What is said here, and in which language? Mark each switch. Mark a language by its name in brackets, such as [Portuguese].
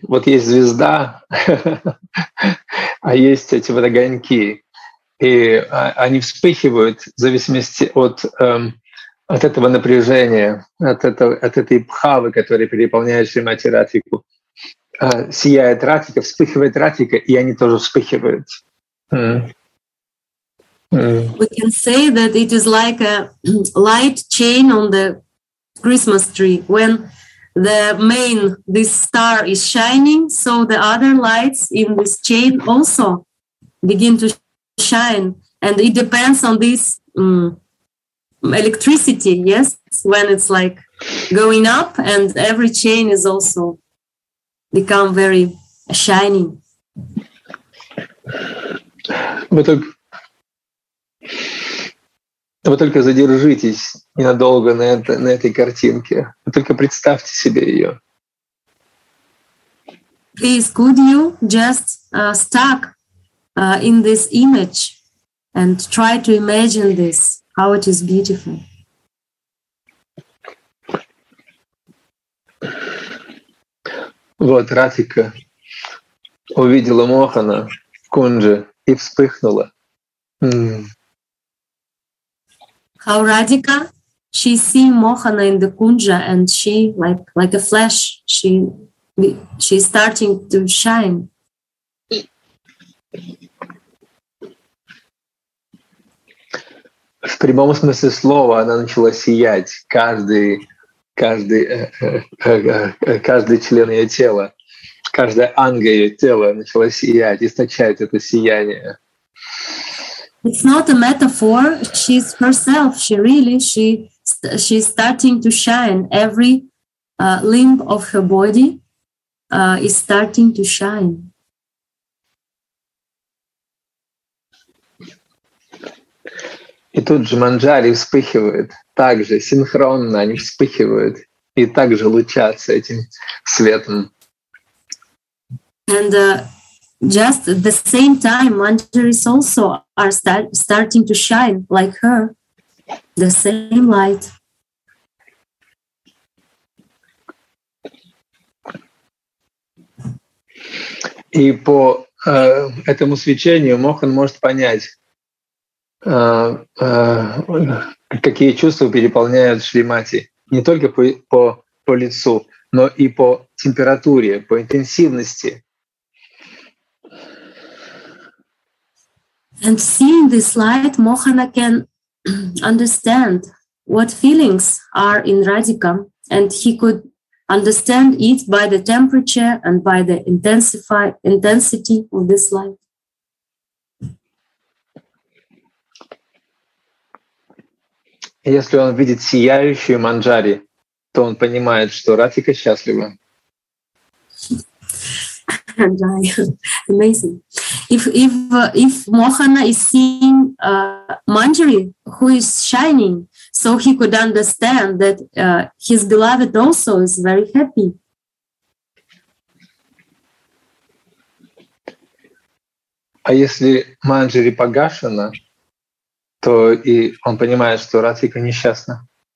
[Russian] Вот есть звезда, а есть эти вот огоньки. И они вспыхивают в зависимости от этого напряжения, от этой бхавы, которая переполняет Шримати Радхику. Сияет Радхика, вспыхивает Радхика, и они тоже вспыхивают. [English] We can say that it is like a light chain on the Christmas tree. When the main, this star is shining, so the other lights in this chain also begin to shine. And it depends on this electricity, yes? When it's like going up and every chain is also become very shining. [Russian] Вы только задержитесь ненадолго на этой картинке. Вы только представьте себе ее. [English] Please, could you just stuck in this image and try to imagine this, how it is beautiful? [Russian] Вот Радхика увидела Мохана в кунже и вспыхнула. [English] How Radhika, she see Mohana in the kunja and she like a flash, she's starting to shine. [Russian] В прямом смысле слова она начала сиять. Каждый член ее тела, каждая анга ее тела начала сиять, источает это сияние. [English] It's not a metaphor. She's herself. She's starting to shine. Every limb of her body is starting to shine. [Russian] И тут же манджари вспыхивают, также синхронно они вспыхивают и также лучатся этим светом. [English] And just at the same time, Manjaris also are starting to shine like her, the same light. [Russian] И по этому свечению Мохан может понять, какие чувства переполняют Шримати. Не только по лицу, но и по температуре, по интенсивности. [English] And seeing this light, Mohana can understand what feelings are in Radhika, and he could understand it by the temperature and by the intensity of this light. [Russian] Если он видит сияющую манджари, то он понимает, что Радхика счастлива. [English] Amazing. If Mohana is seeing Manjari who is shining, so he could understand that his beloved also is very happy. [Russian] А если Манджари погашена, то и он понимает, что Радхика несчастна.